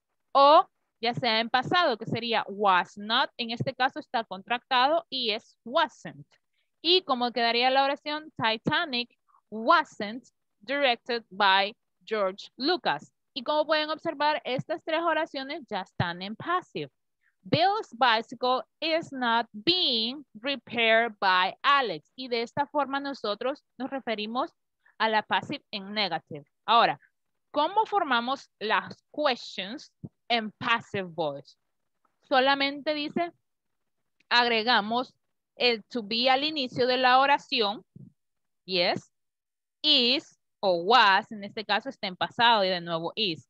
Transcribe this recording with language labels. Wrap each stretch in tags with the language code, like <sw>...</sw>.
<es>O ya sea en pasado, que sería was not. En este caso está contractado y es wasn't. ¿Y cómo quedaría la oración?</es> <en>Titanic wasn't directed by George Lucas.</en> <es>Y como pueden observar, estas tres oraciones ya están en passive.</es> <en>Bill's bicycle is not being repaired by Alex.</en> <es>Y de esta forma nosotros nos referimos a la passive en negative. Ahora, ¿cómo formamos las questions en passive voice? Solamente dice, agregamos el to be al inicio de la oración. Yes, is o was, en este caso está en pasado y de nuevo is.</es>